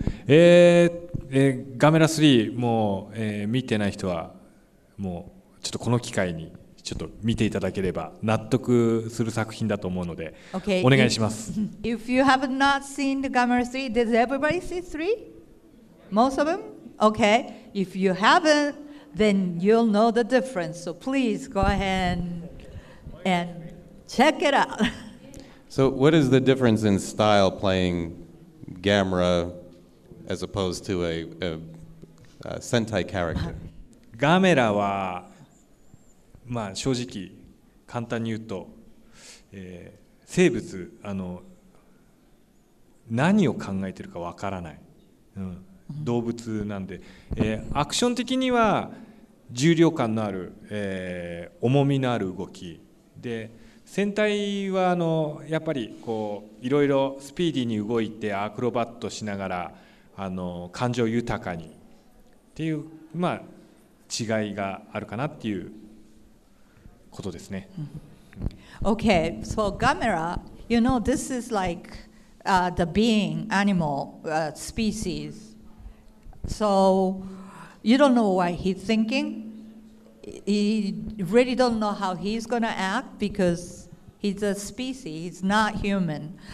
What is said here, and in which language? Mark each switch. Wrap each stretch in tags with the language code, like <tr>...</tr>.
<ja>Gamera 3, もう、見てない人は、もうちょっとこの機会にちょっと見ていただければ納得する作品だと思うので、</ja> <en>okay.</en> <ja>お願いします。</ja> <en>If you have not seen the Gamera 3, does everybody see 3? Most of them? Okay. If you haven't, then you'll know the difference. So please go ahead and check it out. So what is the difference in style playing Gamera as opposed to a Sentai character?</en> <ja>Gamera は、まあ、正直簡単に言うと、生物何を考えてるかわからない、動物なんで、アクション的には重量感のある、重みのある動きで、戦隊はやっぱりこういろいろスピーディーに動いてアクロバットしながら感情豊かにっていう、まあ、違いがあるかなっていうことですね。</ja> <en>Okay, so Gamera, you know, this is like the being, animal, species. So you don't know what he's thinking. He really don't know how he's going to act because he's a species, he's not human.</en>